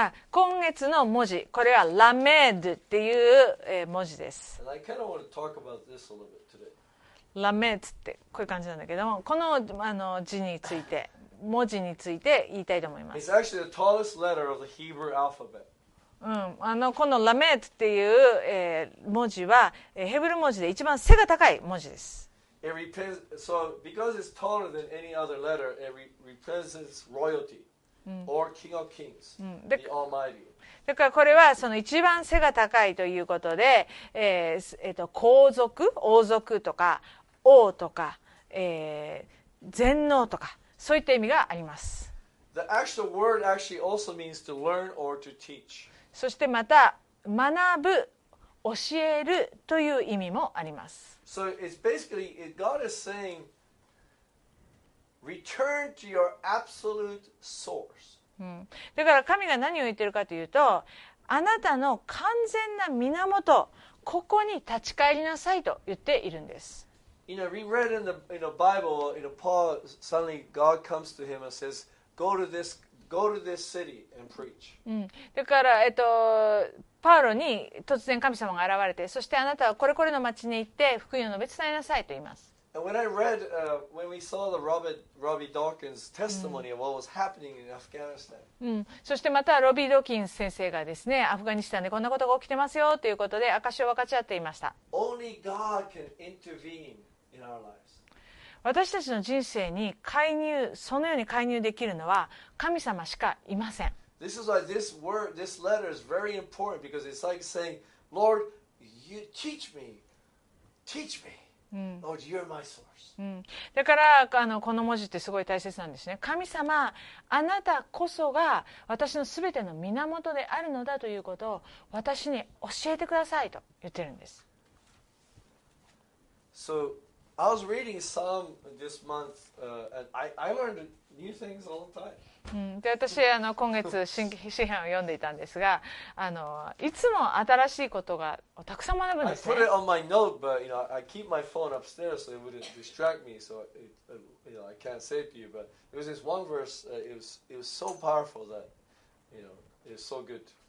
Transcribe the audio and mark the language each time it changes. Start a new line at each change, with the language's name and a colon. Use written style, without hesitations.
Japanese: 今月の文字、これはラメドっていう文字です。
English: And I kind of want to talk about this a little bit today.
Japanese: ラメドってこういう感じなんだけども、この字について文字について言いたいと思います。
English: It's actually the tallest letter of the Hebrew alphabet.
Japanese: このラメットっていう、文字は、ヘブル文字で一番背が高い文字です。
English: It represents, so because it's taller than any other letter, it represents royalty. Or King of Kings, the Almighty.
Japanese: だからこれはその一番背が高いということで、皇族、王族とか王とか、全能とかそういった意味があります。
English: The actual word actually also means to learn or to teach.
Japanese: そしてまた学ぶ、教えるという意味もあります。
English: So it's basically God is saying, return to your absolute source.
Japanese: だから神が何を言ってるかというと、あなたの完全な源、ここに立ち返りなさいと言っているんです。
English: You know, we read in the Bible, you know, Paul, suddenly God comes to him and says, go to this city and preach.
Japanese: だから、パウロに突然神様が現れて、そしてあなたはこれこれの町に行って福音を述べ伝えなさいと言います。
English: And when I read, when we saw the Robbie Dawkins testimony of what was happening in Afghanistan.
Japanese: そしてまたロビー・ドーキンス先生がですね、アフガニスタンでこんなことが起きてますよということで証を分かち合っていました。
English: Only God can intervene in our lives.
Japanese: 私たちの人生に介入、そのように介入できるのは神様しかいません。
English: This is why this word, this letter is very important because it's like saying, Lord, you teach me, teach me. Lord, you're my source.
Japanese: だからこの文字ってすごい大切なんですね。神様、あなたこそが私のすべての源であるのだということを私に教えてくださいと言ってるんです。
English: So, I was reading Psalm this month, and I learned new things all the time.
Japanese: で私今月新詩編を読んでいたんですが、いつも新しいことがたくさん学ぶんですね。
English: I put it on my note, but you know, I keep my phone upstairs so it wouldn't distract me, so it, you know, I can't say it to you. But there was this one verse, it was so powerful that, you know, it was so good.